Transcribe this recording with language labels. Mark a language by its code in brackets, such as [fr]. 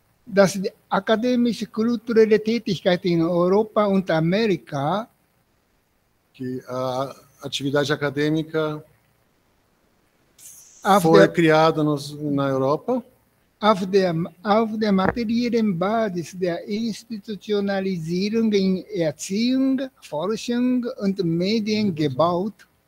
[de] dass die akademische kulturelle Tätigkeit in Europa und Amerika, [pt] que a atividade acadêmica foi criada na Europa, [de] auf der materiellen Basis der Institutionalisierung in Erziehung, Forschung und Medien gebaut.